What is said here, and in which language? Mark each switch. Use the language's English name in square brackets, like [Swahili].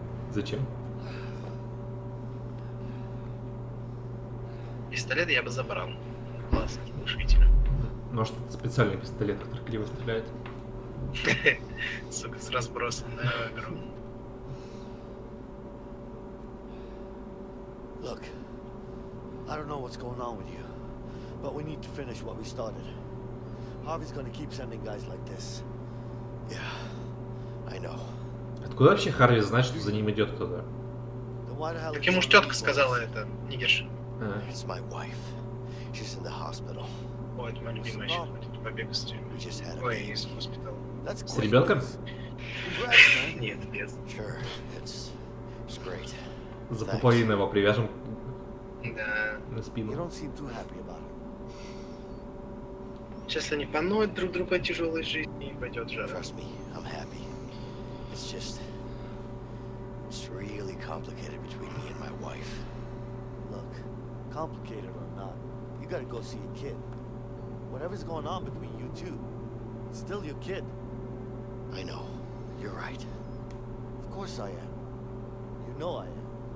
[Russian] Зачем? Пистолет я бы забрал. Класс, глушитель. Может, это специальный пистолет, который криво стреляет? Сука, с разбросом, да, игру. [English] Look, I don't know what's going on with you, but we need to finish what we started. Harvey's gonna keep sending guys like this. Yeah. I know. [Russian] Откуда вообще Харви знает, что за ним идет кто-то? Так ему ж тетка сказала это, Нигерш. [English] It's my wife. She's in the hospital. [Russian] Ой, это моя любимая щетка, побег из тюрьмы. Ой, из госпитала. С ребенком? Нет, без. [English] Sure, it's great. [Russian] За пуповину его привяжем. Да. На спину. [English] You don't seem too happy about it. [Russian] Сейчас они поноют друг друга тяжелой жизни и пойдет жара. [English] Trust me, I'm happy. It's really complicated between me and my wife. Look, complicated or not, you gotta go see your kid. Whatever's going on between you two, it's still your kid. I know, you're right. Of course I am. You know I am.